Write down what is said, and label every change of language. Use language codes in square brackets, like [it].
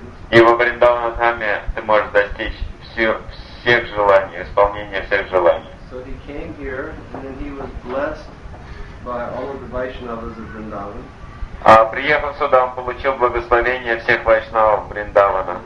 [ru] И во Вриндавана Дхаме ты можешь достичь всех желаний, исполнения всех желаний. [en] So he came here and then he was blessed by all of the Vaishnavas of Vrindavan. [ru] Приехав сюда, он получил благословение всех вайшнавов Вриндавана.